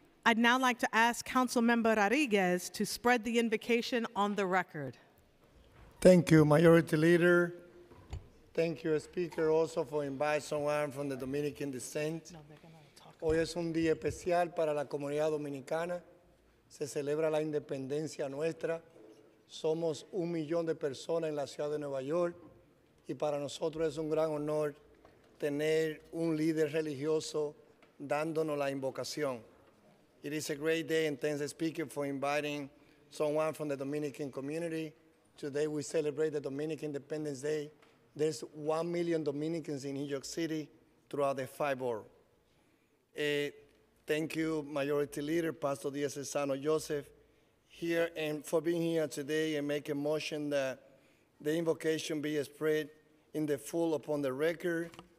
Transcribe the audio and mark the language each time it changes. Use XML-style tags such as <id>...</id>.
<en>I'd now like to ask Councilmember Rodriguez to spread the invocation on the record. Thank you, Majority Leader. Thank you, Speaker, also for inviting someone from the Dominican descent.</en> <es>Hoy es un día especial para la comunidad dominicana. Se celebra la independencia nuestra. Somos 1 millón de personas en la ciudad de Nueva York. Y para nosotros es un gran honor tener un líder religioso dándonos la invocación.</es> <en>It is a great day and thanks, Speaker, for inviting someone from the Dominican community. Today we celebrate the Dominican Independence Day. There's 1 million Dominicans in New York City throughout the five boroughs. Thank you, Majority Leader, Pastor Diocesano Joseph, here and for being here today and make a motion that the invocation be spread in the full upon the record.</en>